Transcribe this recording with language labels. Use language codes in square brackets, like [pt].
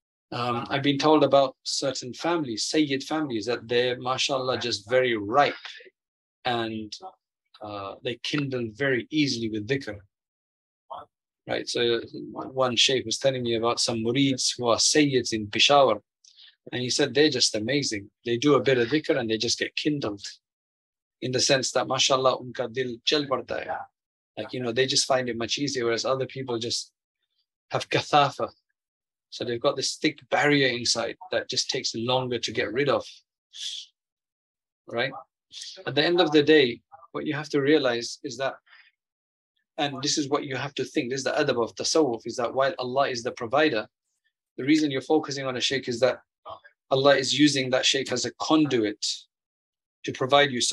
[en] I've been told about certain families, Sayyid families, that they're, mashallah, just very ripe and they kindle very easily with dhikr. Right? So one sheikh was telling me about some murids who are Sayyids in Peshawar. And he said, they're just amazing. They do a bit of dhikr and they just get kindled. In the sense that, mashallah, [hi] उनका दिल चल पड़ता है. [en] Like, you know, they just find it much easier, whereas other people just have kathafa. So they've got this thick barrier inside that just takes longer to get rid of, right? At the end of the day, what you have to realize is that, and this is what you have to think, this is the adab of tasawwuf, is that while Allah is the provider, the reason you're focusing on a sheikh is that Allah is using that sheikh as a conduit to provide you.